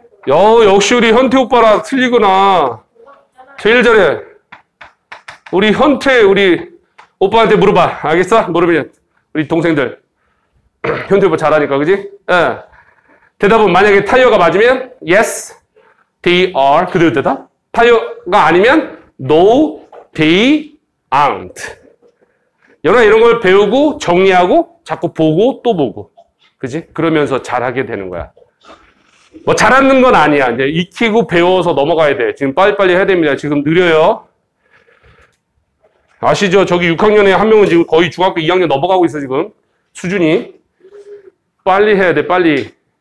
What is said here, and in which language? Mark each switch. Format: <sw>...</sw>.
<ko>야, 역시 우리 현태 오빠라 틀리구나. 제일 잘해. 우리 현태, 우리 오빠한테 물어봐. 알겠어? 물으면 우리 동생들. 현태 오빠 잘하니까, 그지? 예. 대답은 만약에 타이어가 맞으면</ko> <en>Yes, they are.</en> <ko>그대로 대답. 타이어가 아니면</ko> <en>No, they aren't.</en> <ko>여러 이런 걸 배우고 정리하고 자꾸 보고 또 보고, 그지? 그러면서 잘하게 되는 거야. 뭐 잘하는 건 아니야. 이제 익히고 배워서 넘어가야 돼. 지금 빨리빨리 해야 됩니다. 지금 느려요. 아시죠? 저기 6학년에 한 명은 지금 거의 중학교 2학년 넘어가고 있어 지금 수준이. 빨리 해야 돼. 빨리.</ko>